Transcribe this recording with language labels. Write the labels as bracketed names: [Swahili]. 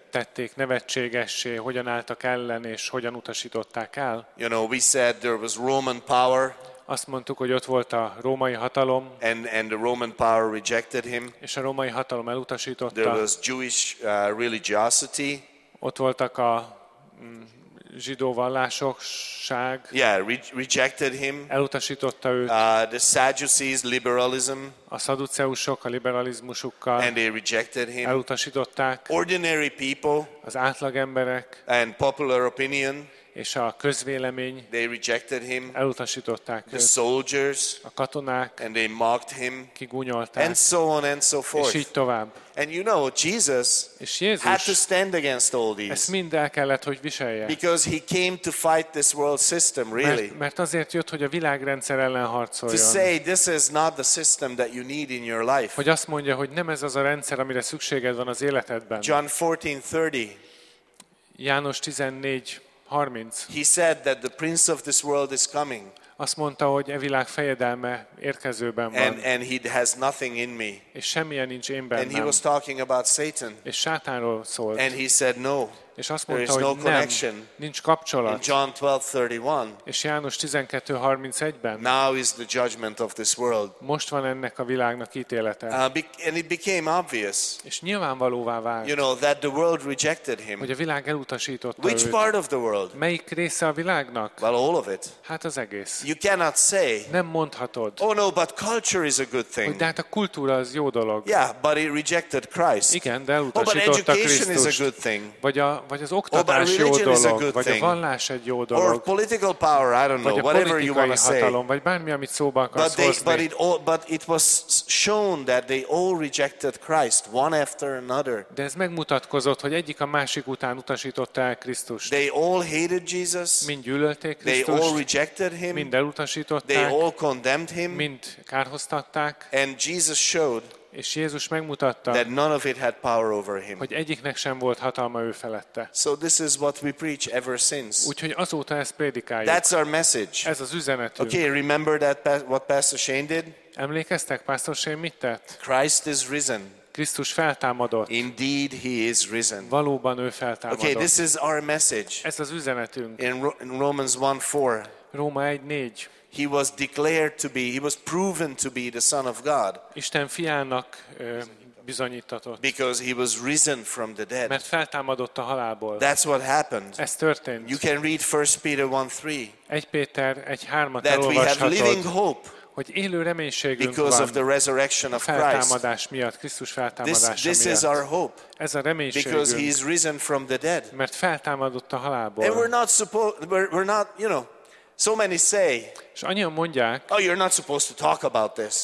[Hungarian] Tették nevetségessé, hogyan álltak ellen és hogyan utasították el. [English] You know, we said there was Roman power. [Hungarian] Azt mondtuk, hogy ott volt a római hatalom. [English] And the Roman power rejected him. [Hungarian] És a római hatalom elutasította. [English] There was Jewish religiosity. [Hungarian] Ott voltak a zsidó vallásokság. [English] Yeah, rejected him. [Hungarian] Elutasította őt. [English] The Sadducees, liberalism. [Hungarian] A szaduceusok a liberalizmusukkal. [English] And they rejected him. [Hungarian] Elutasították. [English] Ordinary people. [Hungarian] Az átlag emberek. [English] And popular opinion. [Hungarian] És a közvélemény. [English] They rejected him. [Hungarian] Elutasították [English] the [Hungarian] őt. [English] The soldiers. [Hungarian] A katonák. [English] And they mocked him. [Hungarian] Kigúnyolták. [English] And so on and so forth. [Hungarian] És így tovább. [English] And you know, Jesus had to stand against all these. [Hungarian] Ezt mind el kellett, hogy viselje. [English] Because he came to fight this world system, really. [Hungarian] Mert azért jött, hogy a világrendszer ellen harcoljon. [English] To say this is not the system that you need in your life. [Hungarian] Hogy azt mondja, hogy nem ez az a rendszer, amire szükséged van az életedben. [English] John 14:30. [Hungarian] János 14:30. [English] He said that the prince of this world is coming. [Hungarian] Azt mondta, hogy e világ fejedelme érkezőben van. [English] And he has nothing in me. [Hungarian] És semmilyen nincs én bennem. [English] And he was talking about Satan. [Hungarian] És Sátánról szólt. [English] And he said no. [Hungarian] És azt mondta, hogy nem, nincs kapcsolat. [English] In John 12:31. [Hungarian] És János 12:31-ben. [English] Now is the judgment of this world. [Hungarian] Most van ennek a világnak ítélete. [English] And it became obvious. [Hungarian] És nyilvánvalóvá vált. [English] You know that the world rejected him. [Hungarian] Hogy a világ elutasította [English] Which [Hungarian] őt. [English] Which part of the world? [Hungarian] Melyik része a világnak? [English] Well, all of it. [Hungarian] Hát az egész. [English] You cannot say. [Hungarian] Nem mondhatod. [English] Oh no, but culture is a good thing. [Hungarian] De hát a kultúra az jó dolog. [English] Yeah, but it rejected Christ. [Hungarian] Igen, de elutasította Krisztust. [English] Oh, but education is a good thing. [Hungarian] Vagy az oktatás jó dolog, vagy a vallás egy jó dolog, [English] or political power, I don't know, whatever you want to say. [Hungarian] Vagy bármi, amit szóba akarsz hozni. [English] But it was shown that they all rejected Christ one after another. [Hungarian] De ez megmutatkozott, hogy egyik a másik után utasította el Krisztust. [English] They all hated Jesus. [Hungarian] Mind gyűlölték Krisztust. [English] They all rejected him. [Hungarian] Mind elutasították. [English] They all condemned him. [Hungarian] Mind kárhoztatták. [English] And Jesus showed. [Hungarian] És Jézus megmutatta, [English] that none of it had power over him. [Hungarian] Hogy egyiknek sem volt hatalma ő felette. [English] So this is what we preach ever since. [Hungarian] Úgyhogy azóta ezt prédikáljuk. [English] That's our message. [Hungarian] Ez az üzenetünk. [English] Okay, remember that what Pastor Shane did? [Hungarian] Emlékeztek, Pastor Shane mit tett? [English] Christ is risen. [Hungarian] Krisztus feltámadott. [English] Indeed he is risen. [Hungarian] Valóban ő feltámadott. [English] Okay, this is our message. [Hungarian] Ez az üzenetünk. [English] In Romans 1:4. [Hungarian] Róma 1:4. [English] He was declared to be, he was proven to be the Son of God. [Hungarian] Isten fiának bizonyítatott. [English] Because he was risen from the dead. [Hungarian] Mert feltámadott a halálból. [English] That's what happened. [Hungarian] Ez történt. [English] You can read 1 Peter 1:3. [Hungarian] 1 Péter 1:3-at elolvashatod. [English] That we have living hope. [Hungarian] Hogy élő reménységünk van. [English] Because of the resurrection of Christ. [Hungarian] Feltámadás miatt, Krisztus feltámadása miatt. [English] This is our hope. [Hungarian] Ez a reménységünk. [English] Because he is risen from the dead. [Hungarian] Mert feltámadott a halálból. [English] And we're not, you know, so many say. [Hungarian] És annyian mondják. [English] Oh, you're not supposed to talk about this.